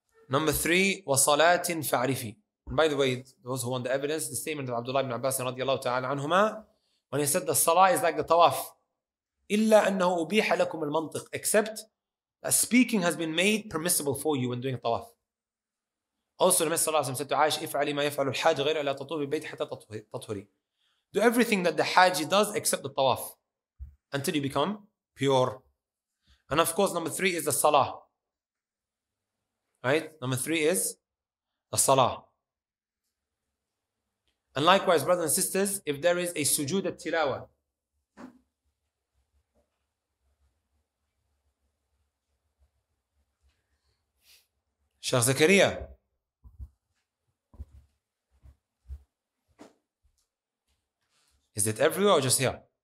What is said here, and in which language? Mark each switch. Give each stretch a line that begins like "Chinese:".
English: Number three,
Arabic: وَصَلَاتٍ فَعْرِفِي.
English: And by the way, those who want the evidence, the statement of Abdullah ibn Abbas radiallahu ta'ala anhuma, when he said the salah is like the tawaf,
Arabic: إِلَّا أَنَّهُ أُبِيحَ لَكُمُ الْمَنْطِقِ,
English: except speaking has been made permissible for you when doing tawaf. Also, the Messenger said to Aisha,
Arabic: إِفْعَلِ مَا يَفْعَلُ الْحَاجِ غَيْرَ لَا تَطُوفِ بِبَيْتِ حَتَّى تَطْهُرِ.
English: Do everything that the haji does except the tawaf until you become pure. And of course, number three is the salah. Right? Number three is the salah. And likewise, brothers and sisters, if there is a sujood at-tilawah, Sheikh Zakaria, is it everywhere or just here?